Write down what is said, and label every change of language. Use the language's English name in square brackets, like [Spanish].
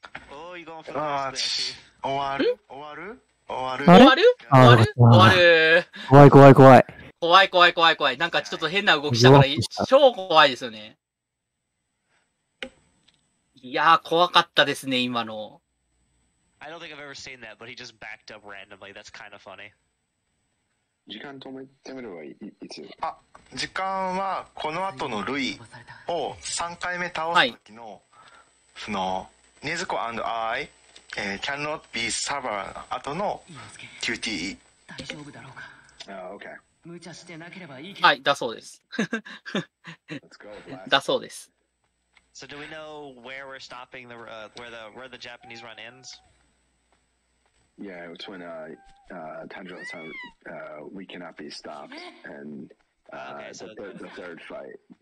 [Japanese] 終わる終わる終わる終わる終わる終わる終わる怖い怖い怖い怖い怖い怖い怖い。なんかちょっと変な動きしたから、超怖いですよね。いやー、怖かったですね、今の。 [English] I don't think I've ever seen that, but he just backed up randomly. That's kind of funny. [Japanese] 時間止めてみればいい。あ、時間はこの後のルイを3回目倒す時の、はい、その、ネズコ&アイ、 [English] cannot be server [Japanese] 後の QTE。大丈夫だろうか。あ、OK。無茶してなければいいけど、はい、だそうです。だそうです。 [English] So do we know where we're stopping the where the Japanese run ends? Yeah, it's when Tanjiro-san we cannot be stopped and the third fight.